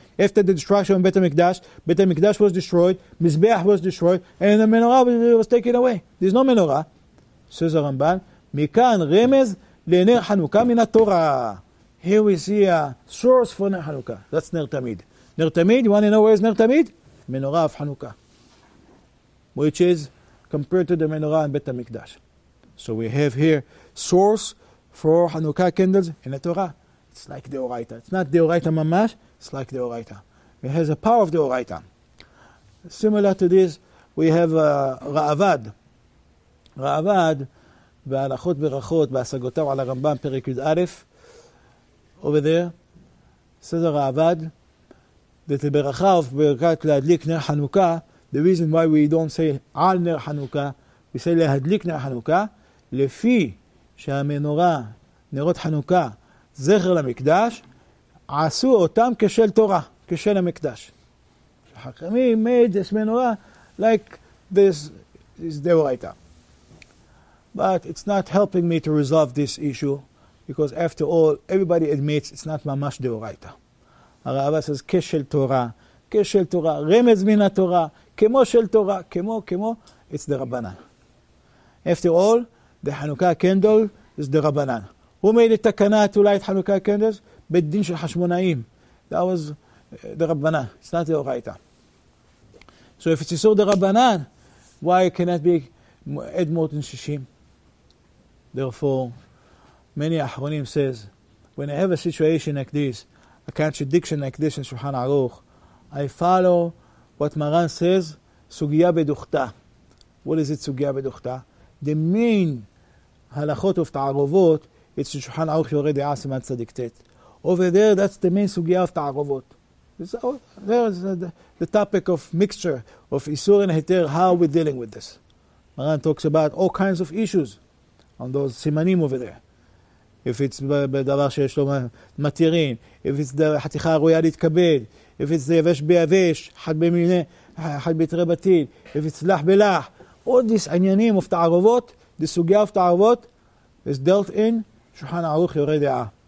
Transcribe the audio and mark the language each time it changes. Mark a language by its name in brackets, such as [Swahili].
[English] After the destruction of Beit HaMikdash was destroyed, Mizbeach was destroyed, and the menorah was taken away. There's no menorah. [Hebrew] Says Ramban, מכאן רמז לנר חנוכה מן התורה. [English] Here we see a source for נר חנוכה. That's נר תמיד. נר תמיד, you want to know where is נר תמיד? [Hebrew] מנורה אף חנוכה. [English] which is compared to the menorah and Beit HaMikdash. So we have here source for Hanukkah candles in the Torah. It's like the Oraita. It's not the Oraita mamash, it's like the Oraita. It has the power of the Oraita. Similar to this, we have Ra'avad. [Hebrew] Ra'avad, ב'הלכות ברכות, בהשגותיו על הרמב״ם, פרק י' א', over there, says Ra'avad, that the ברכה of ברכת להדליק נר חנוכה, [English] the reason why we don't say [Hebrew] על נר חנוכה, we say להדליק נר חנוכה, לפי שהמנורה, נרות חנוכה, זכר למקדש, עשו אותם כשל תורה, כשל המקדש. [English] החכמים made this menorah like this is the Oraita. But it's not helping me to resolve this issue because after all, everybody admits it's not ממש the Oraita. [Hebrew] הרב says, כשל תורה, כשל תורה, רמז מן התורה, כמו של תורה, כמו, כמו, [English] it's the Rabbanan. After all, the Hanukkah candle is the Rabbanan. Who made it takana to light Hanukkah candles? [Hebrew] בית דין של חשמונאים. [English] That was the Rabbanan. It's not the Oraita. So if it's Yisur the Rabbanan, why can't it be add more than 60? Therefore, many Ahronim says, when I have a situation like this, a contradiction like this in Shulchan Aruch, I follow what Maran says, Sugiyah Beduchta. What is it, Sugiyah Beduchta? The main halachot of Ta'arovot, it's Shulchan Aruch Yoreh Di'ah Siman Tzadik Tet. Over there, that's the main Sugiyah of Ta'arovot. There is the topic of mixture of Isur and Heter, how we're dealing with this. Maran talks about all kinds of issues on those simanim over there. [Hebrew] If it's בדבר שיש לו מתירים, if it's the חתיכה הרויה להתקבל, if it's the יבש ביבש, חד במיני, חד ביתרי בתיל, if it's לח בלח, [English] all these [Hebrew] עניינים of תערובות, the סוגיה of תערובות, is dealt in שולחן ערוך יורה דעה.